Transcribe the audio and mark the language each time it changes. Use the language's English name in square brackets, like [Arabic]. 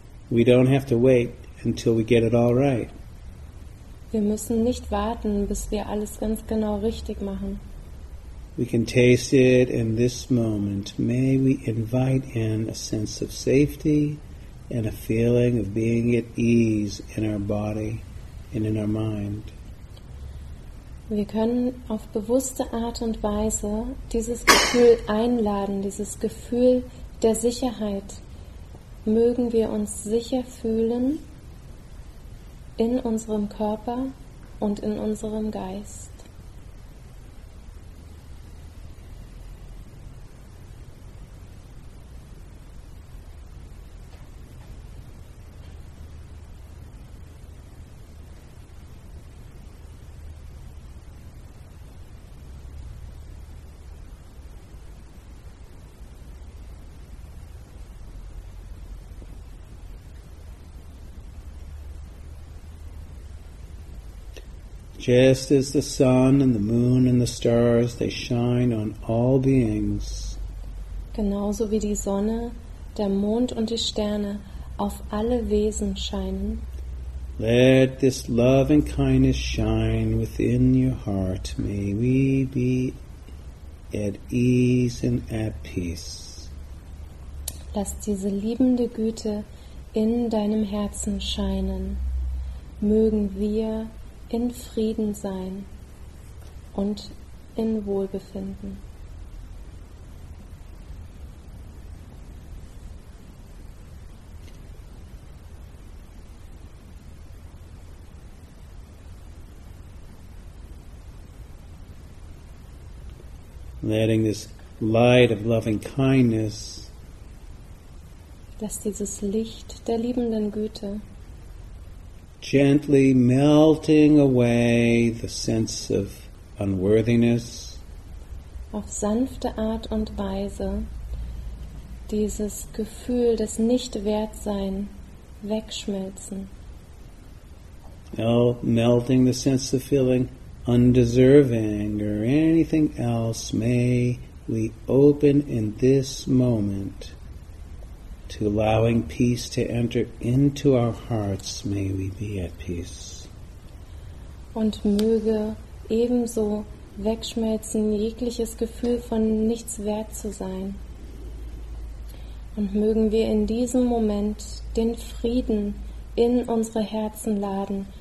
[English] We don't have to wait until we get it all right. [German] Wir müssen nicht warten, bis wir alles ganz genau richtig machen. [English] We can taste it in this moment. May we invite in a sense of safety and a feeling of being at ease in our body and in our mind. [German] Wir können auf bewusste Art und Weise dieses Gefühl einladen, dieses Gefühl der Sicherheit. Mögen wir uns sicher fühlen in unserem Körper und in unserem Geist. [English] Just as the sun and the moon and the stars, they shine on all beings. [German] Genauso wie die Sonne, der Mond und die Sterne auf alle Wesen scheinen. [English] Let this love and kindness shine within your heart. May we be at ease and at peace. [German] Lass diese liebende Güte in deinem Herzen scheinen. Mögen wir in Frieden sein und in Wohlbefinden. [English] Letting this light of loving kindness, [German] lass dieses Licht der liebenden Güte, [English] gently melting away the sense of unworthiness, [German] auf sanfte Art und Weise dieses Gefühl des Nichtwertsein wegschmelzen. [English] Melting the sense of feeling undeserving or anything else, may we open in this moment to allowing peace to enter into our hearts. May we be at peace. [German] Und möge ebenso wegschmelzen jegliches Gefühl von nichts wert zu sein. Und mögen wir in diesem Moment den Frieden in unsere Herzen laden.